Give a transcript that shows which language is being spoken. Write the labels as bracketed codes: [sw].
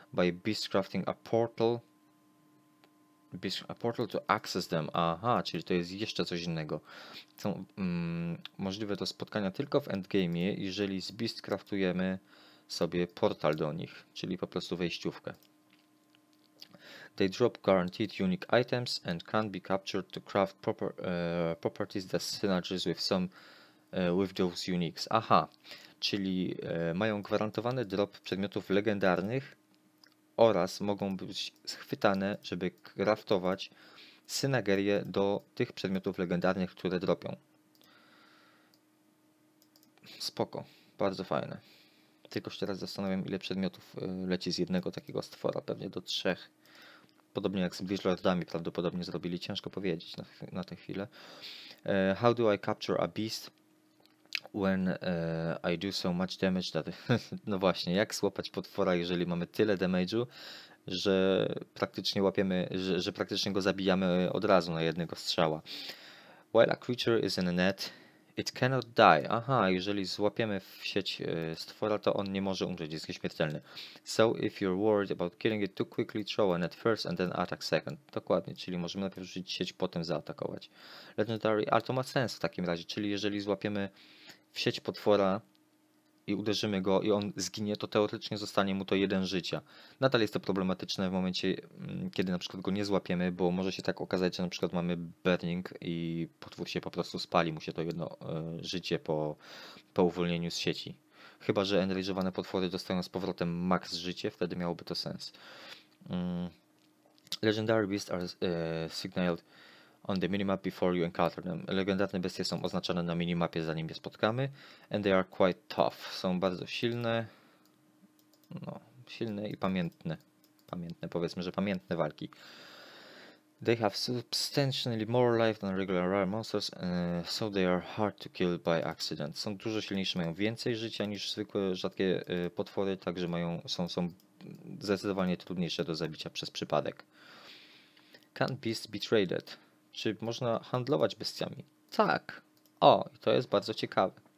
[en] By beastcrafting a portal. A portal to access them. [pl] Aha, czyli to jest jeszcze coś innego. Są możliwe do spotkania tylko w endgame, jeżeli z beastcraftujemy sobie portal do nich, czyli po prostu wejściówkę. [en] They drop guaranteed unique items and can be captured to craft properties that synergize with some with those uniques. Aha. [pl] Czyli mają gwarantowany drop przedmiotów legendarnych oraz mogą być schwytane, żeby craftować synergię do tych przedmiotów legendarnych, które dropią. Spoko, bardzo fajne. Tylko się teraz zastanawiam, ile przedmiotów leci z jednego takiego stwora, pewnie do trzech. Podobnie jak z Blizzlordami prawdopodobnie zrobili, ciężko powiedzieć na tę chwilę. [en] How do I capture a beast? When I do so much damage that... [pl] No właśnie, jak złapać potwora, jeżeli mamy tyle damage'u, że praktycznie łapiemy, że praktycznie go zabijamy od razu na jednego strzała. [en] While a creature is in a net, it cannot die. [pl] Aha, jeżeli złapiemy w sieć stwora, to on nie może umrzeć, jest nieśmiertelny. [en] So if you're worried about killing it too quickly, throw a net first and then attack second. [pl] Dokładnie, czyli możemy najpierw rzucić sieć, potem zaatakować. Legendary, ale to ma sens w takim razie, czyli jeżeli złapiemy w sieć potwora i uderzymy go i on zginie, to teoretycznie zostanie mu to jeden życia. Nadal jest to problematyczne w momencie, kiedy na przykład go nie złapiemy, bo może się tak okazać, że na przykład mamy burning i potwór się po prostu spali, mu się to jedno życie po uwolnieniu z sieci. Chyba że enrage'owane potwory dostają z powrotem max życie, wtedy miałoby to sens. [en] Legendary beasts are signaled on the minimap before you encounter them. [pl] Legendarne bestie są oznaczone na minimapie zanim je spotkamy. [en] And they are quite tough. [pl] Są bardzo silne. No, silne i pamiętne. Pamiętne, powiedzmy, że pamiętne walki. [en] They have substantially more life than regular rare monsters, so they are hard to kill by accident. [pl] Są dużo silniejsze, mają więcej życia niż zwykłe rzadkie potwory, także są zdecydowanie trudniejsze do zabicia przez przypadek. [en] Can beasts be traded? [pl] Czy można handlować bestiami? Tak. O, to jest bardzo ciekawe.